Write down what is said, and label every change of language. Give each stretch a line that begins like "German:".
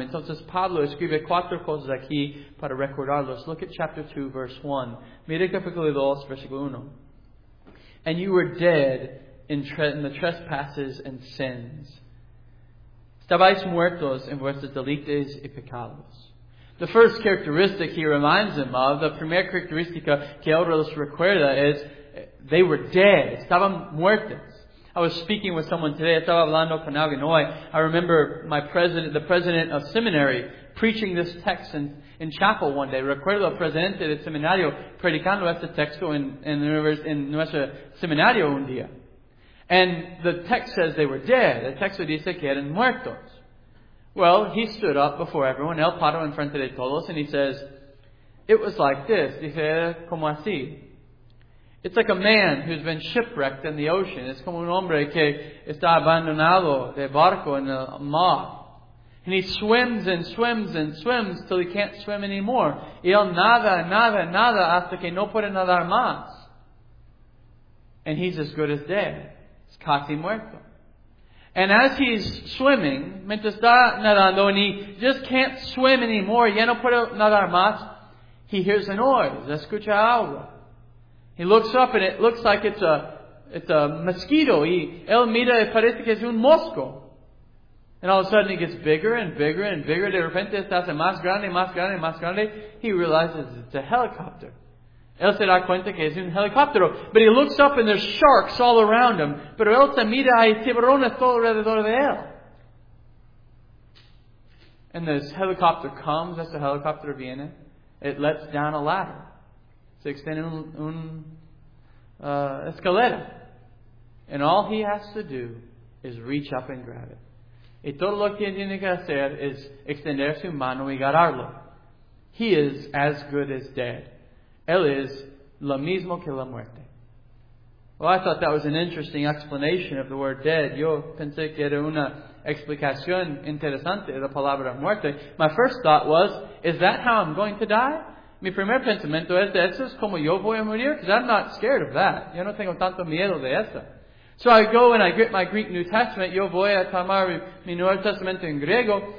Spanish: Entonces Pablo escribe cuatro cosas aquí para recordarlos.
English: Look at chapter 2, verse 1.
Spanish: Mira capítulo 2, versículo 1.
English: And you were dead in the trespasses and sins.
Spanish: Estabais muertos en vuestros delitos y pecados.
English: The first characteristic he reminds them of, the
Spanish: primera característica que él les recuerda
English: is, they were dead.
Spanish: Estaban muertos.
English: I was speaking with someone today.
Spanish: Estaba hablando con alguien hoy.
English: I remember the president of seminary preaching this text in chapel one day.
Spanish: Recuerdo al presidente del seminario predicando este texto en nuestro seminario un día.
English: And the text says they were dead.
Spanish: El texto dice que eran muertos.
English: Well, he stood up before everyone,
Spanish: el paro en frente de todos,
English: and he says, it was like this.
Spanish: Dice, como así.
English: It's like a man who's been shipwrecked in the ocean.
Spanish: It's como un hombre que está abandonado de barco en el mar.
English: And he swims and swims and swims till he can't swim anymore.
Spanish: Y él nada, nada, nada hasta que no puede nadar más.
English: And he's as good as dead.
Spanish: Es casi muerto.
English: And as he's swimming,
Spanish: mientras está nadando,
English: and he just can't swim anymore,
Spanish: ya no puede nadar más,
English: he hears a noise.
Spanish: Escucha algo.
English: He looks up, and it looks like it's a mosquito.
Spanish: Y él mira y parece que es un mosco.
English: And all of a sudden, he gets bigger and bigger and bigger.
Spanish: De repente, está más grande, más grande, más grande.
English: He realizes it's a helicopter.
Spanish: Él se da cuenta que es un helicóptero.
English: But he looks up and there's sharks all around him.
Spanish: Pero él se mira y hay tiburones todo alrededor de él.
English: And this helicopter comes, as the helicopter viene, it lets down a ladder.
Spanish: Se extiende un escalera.
English: And all he has to do is reach up and grab it.
Spanish: Y todo lo que tiene que hacer es extender su mano y agarrarlo.
English: He is as good as dead.
Spanish: Él es lo mismo que la muerte.
English: Well, I thought that was an interesting explanation of the word dead.
Spanish: Yo pensé que era una explicación interesante de la palabra muerte.
English: My first thought was, is that how I'm going to die?
Spanish: Mi primer pensamiento es, ¿eso es como yo voy a morir?
English: Because I'm not scared of that.
Spanish: Yo no tengo tanto miedo de eso.
English: So I go and I get my Greek New Testament.
Spanish: Yo voy a tomar mi Nuevo Testamento en griego.